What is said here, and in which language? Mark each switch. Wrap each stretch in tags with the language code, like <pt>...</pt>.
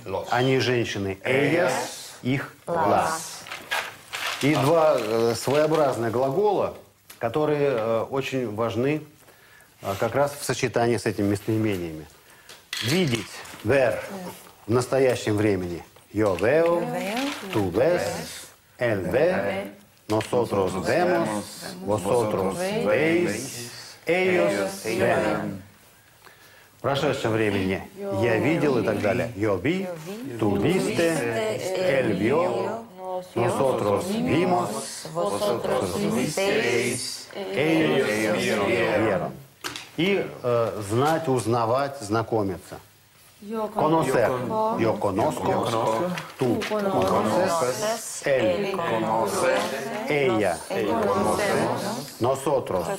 <ru>«Они» – «женщины» – «ellas», «их» – «las». И два своеобразных глагола, которые очень важны как раз в сочетании с этими местоимениями. Видеть, ver, в настоящем времени.</ru> <es>Yo veo, tú ves, él ve, nosotros vemos, vosotros veis, ellos ven.</es> <ru>В прошедшем времени я видел и так далее.</ru> <es>Yo vi, tú viste, él vio, nosotros vimos, vosotros visteis, ellos vieron.</es> <ru>И знать, узнавать, знакомиться.</ru> <es>Conocer. Yo conozco. Tú conoces. Él conoce. Ella. Conocemos. Nosotros</es>